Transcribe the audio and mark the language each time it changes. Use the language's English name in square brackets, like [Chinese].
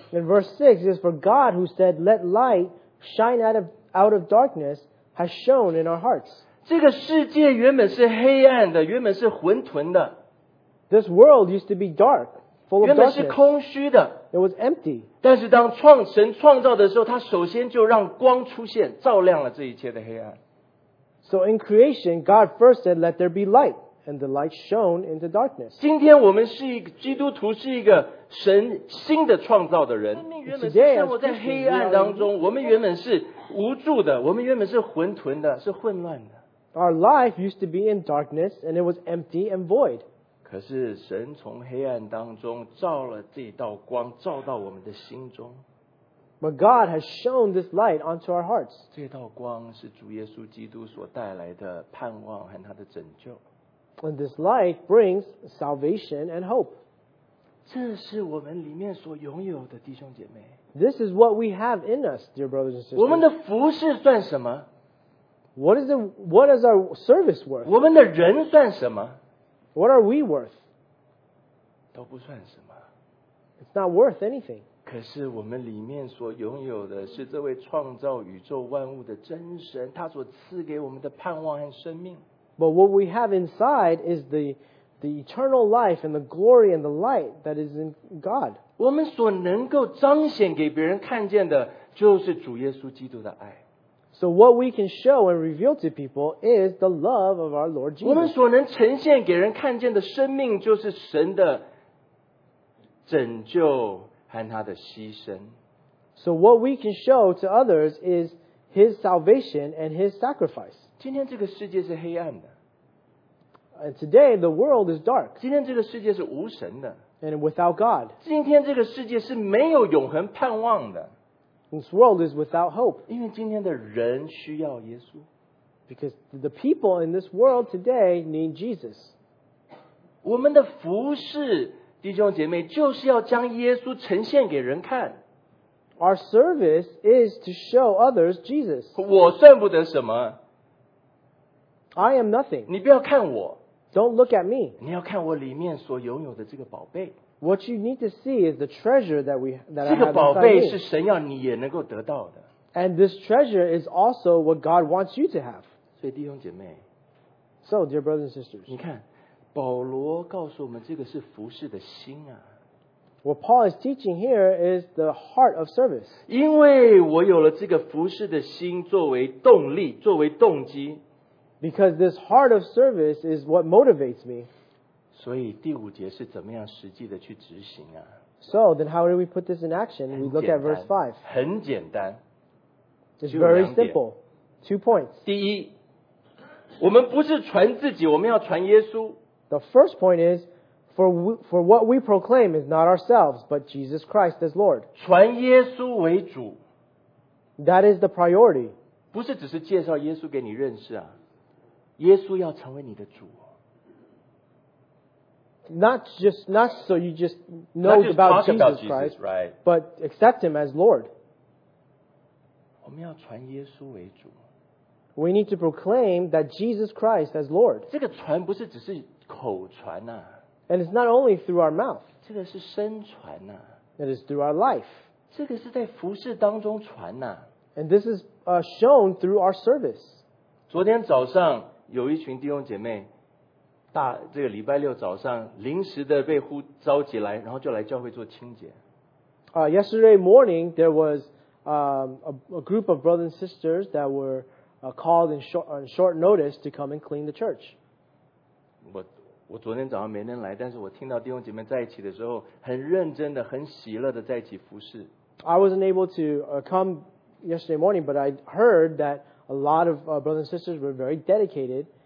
[English] In verse 6, it is for God who said, let light shine out of darkness has shone in our hearts. [Chinese] 这个世界原本是黑暗的，原本是混沌的。 [English] This world used to be dark. [Chinese] 原本是空虚的。 [English] It was empty. [Chinese] 但是当神创造的时候，他首先就让光出现，照亮了这一切的黑暗。 [English] So in creation, God first said, let there be light, and the light shone into darkness. [Chinese] 今天我们是一个基督徒，是一个神新的创造的人。生命原本是生活在黑暗当中，我们原本是无助的，我们原本是混沌的，是混乱的。 [English] Our life used to be in darkness, and it was empty and void. [Chinese] 可是神从黑暗当中照了这道光，照到我们的心中。 [English] But God has shown this light onto our hearts. [Chinese] 这道光是主耶稣基督所带来的盼望和他的拯救。 [English] And this light brings salvation and hope. [Chinese] 这是我们里面所拥有的，弟兄姐妹。 [English] This is what we have in us, dear brothers and sisters. [Chinese] 我们的服事算什么？ [English] What is our service worth? [Chinese] 我们的人算什么？ [English] What are we worth? [Chinese] 都不算什么。 [English] It's not worth anything. [Chinese] 可是我们里面所拥有的是这位创造宇宙万物的真神，他所赐给我们的盼望和生命。 [English] But what we have inside is the eternal life and the glory and the light that is in God. [Chinese] 我们所能够彰显给别人看见的就是主耶稣基督的爱。 [English] So what we can show and reveal to people is the love of our Lord Jesus. [Chinese] 我们所能呈现给人看见的生命就是神的拯救和他的牺牲。 [English] So what we can show to others is his salvation and his sacrifice. [Chinese] 今天这个世界是黑暗的。 [English] And today the world is dark. [Chinese] 今天这个世界是无神的。 [English] And without God. [Chinese] 今天这个世界是没有永恒盼望的。 [English] This world is without hope. [Chinese] 因为今天的人需要耶稣。 [English] Because the people in this world today need Jesus. [Chinese] 我们的服事，弟兄姐妹，就是要将耶稣呈现给人看。 [English] Our service is to show others Jesus. [Chinese] 我算不得什么。 [English] I am nothing. [Chinese] 你不要看我。 [English] Don't look at me. [Chinese] 你要看我里面所拥有的这个宝贝。 [English] What you need to see is the treasure that we that I have. [Chinese] 这个宝贝是神要你也能够得到的。 [English] And this treasure is also what God wants you to have. [Chinese] 所以弟兄姐妹。 [English] So, dear brothers and sisters. [Chinese] 你看，保罗告诉我们这个是服事的心啊。 [English] What Paul is teaching here is the heart of service. [Chinese] 因为我有了这个服事的心作为动力，作为动机。 [English] Because this heart of service is what motivates me. [Chinese] 所以第五节是怎么样实际的去执行啊？ [English] So then how do we put this in action? We look at verse 5. [Chinese] 很简单。 [English] It's very simple. 2 points. [Chinese] 第一，我们不是传自己，我们要传耶稣。 [English] The first point is, for what we proclaim is not ourselves, but Jesus Christ as Lord. [Chinese] 传耶稣为主。 [English] That is the priority. [Chinese] 不是只是介绍耶稣给你认识啊，耶稣要成为你的主。 [English] Not so you just know about Jesus Christ, right. But accept Him as Lord. [Chinese] 我们要传耶稣为主。 [English] We need to proclaim that Jesus Christ as Lord. [Chinese] 这个传不是只是口传啊。 [English] And it's not only through our mouth. [Chinese] 这个是身传啊。 [English] It is through our life. [Chinese] 这个是在服事当中传啊。 [English] And this is shown through our service. [Chinese] 昨天早上有一群弟兄姐妹大这个礼拜六早上临时的被呼召集来，然后就来教会做清洁。 [English] Yesterday morning there was a group of brothers and sisters that were called on short notice to come and clean the church. [Chinese] 我昨天早上没能来，但是我听到弟兄姐妹在一起的时候，很认真的、很喜乐的在一起服事。 [English] I wasn't able to come yesterday morning, but I heard that a lot of brothers and sisters were very dedicated.